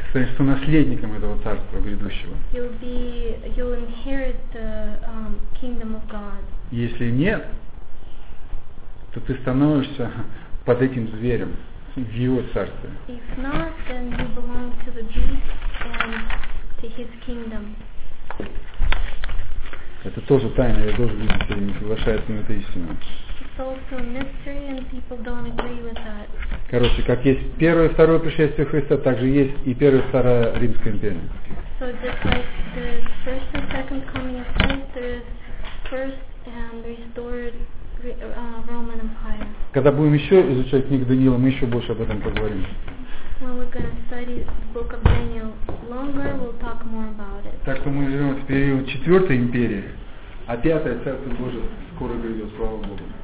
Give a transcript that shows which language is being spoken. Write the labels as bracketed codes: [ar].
[ru] То есть наследником этого царства грядущего. [en] You'll inherit the kingdom of God. [ru] Если нет, то ты становишься под этим зверем в его царстве. [en] If not, then you belong to the beast and to his kingdom. [ru] Это тоже тайна, я должен видеть, что не соглашается на эту истину. [en] Also a mystery, and people don't agree with that. [ru] Короче, как есть первое и второе пришествие Христа, так же есть и первое и второе Римская империя. [en] So just like the first and second coming of Christ, there is first and restored Roman Empire. [ru] Когда будем еще изучать книгу Даниила, мы еще больше об этом поговорим. [en] When we're going to study the book of Daniel longer, we'll talk more about it. [ru] Так что мы живем в период четвертой империи, а пятое Царство Божие скоро грядет, слава Богу.